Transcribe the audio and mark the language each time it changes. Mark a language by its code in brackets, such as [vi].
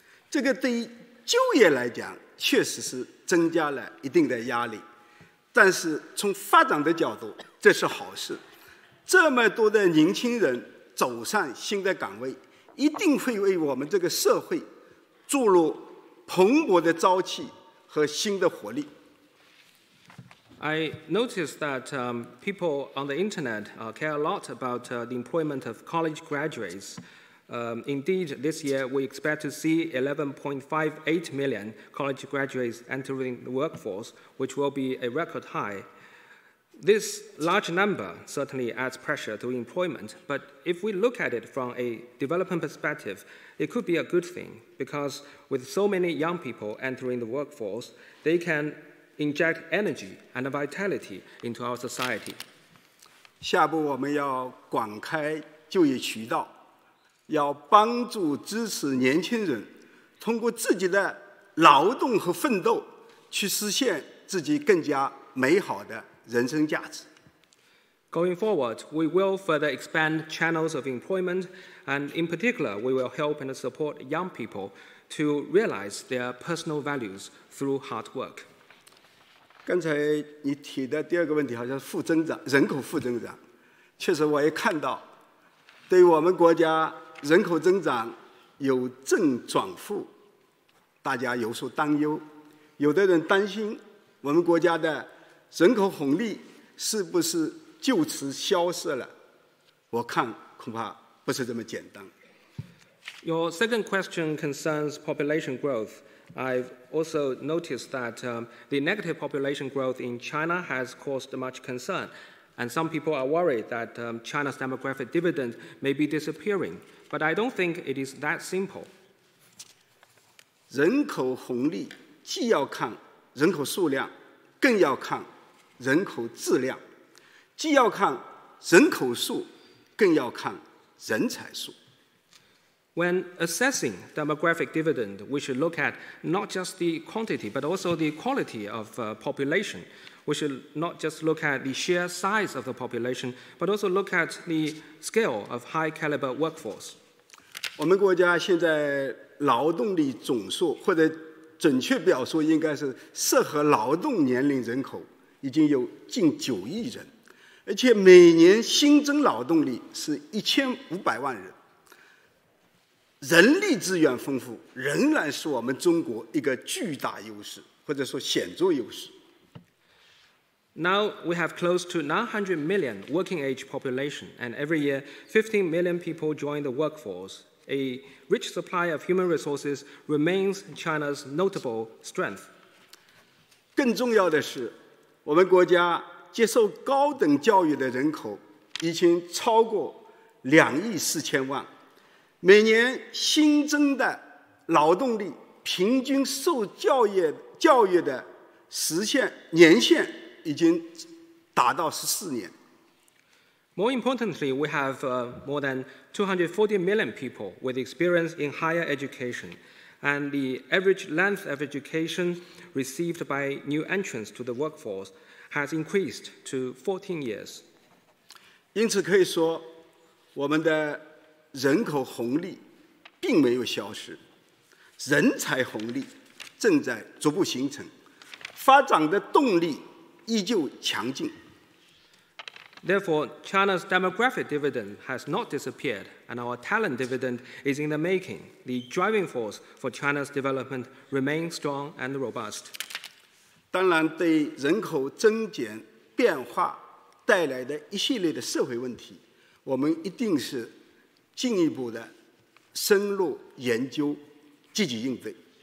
[zh] 这个对于就业来讲，确实是增加了一定的压力，但是从发展的角度，这是好事。这么多的年轻人走上新的岗位，一定会为我们这个社会注入蓬勃的朝气和新的活力。 [en] I noticed that people on the internet care a lot about the employment of college graduates. Indeed, this year we expect to see 11.58 million college graduates entering the workforce, which will be a record high. This large number certainly adds pressure to employment, but if we look at it from a development perspective, it could be a good thing, because with so many young people entering the workforce, they can inject energy and vitality into our society. [zh] 下步我们要广开就业渠道，要帮助支持年轻人通过自己的劳动和奋斗去实现自己更加美好的人生价值。 [en] Going forward, we will further expand channels of employment, and in particular, we will help and support young people to realize their personal values through hard work. [zh] 刚才你提的第二个问题好像负增长，人口负增长，确实我也看到，对我们国家人口增长由正转负，大家有所担忧，有的人担心我们国家的人口红利是不是就此消失了？我看恐怕不是这么简单。 [en] Your second question concerns population growth. I've also noticed that the negative population growth in China has caused much concern, and some people are worried that China's demographic dividend may be disappearing. But I don't think it is that simple. [zh] 人口红利既要看人口数量，更要看人口质量，既要看人口数，更要看人才数。 [en] When assessing demographic dividend, we should look at not just the quantity, but also the quality of population. We should not just look at the sheer size of the population, but also look at the scale of high caliber workforce. [zh] 我们国家现在劳动力总数，或者准确表述应该是适合劳动年龄人口已经有近九亿人，而且每年新增劳动力是1500万人。人力资源丰富仍然是我们中国一个巨大优势，或者说显著优势。 [en] Now we have close to 900 million working age population, and every year 15 million people join the workforce. A rich supply of human resources remains China's notable strength. [zh] 更重要的是，我们国家接受高等教育的人口已经超过2.4亿，每年新增的劳动力平均受教育的年限已经达到14年。 [en] More importantly, we have more than 240 million people with experience in higher education, and the average length of education received by new entrants to the workforce has increased to 14 years. [zh] 因此可以说，我们的人口红利并没有消失，人才红利正在逐步形成，发展的动力依旧强劲。 [en] Therefore, China's demographic dividend has not disappeared, and our talent dividend is in the making. The driving force for China's development remains strong and robust. [zh] 当然，对人口增减变化带来的一系列的社会问题，我们一定是进一步的深入研究，积极应对。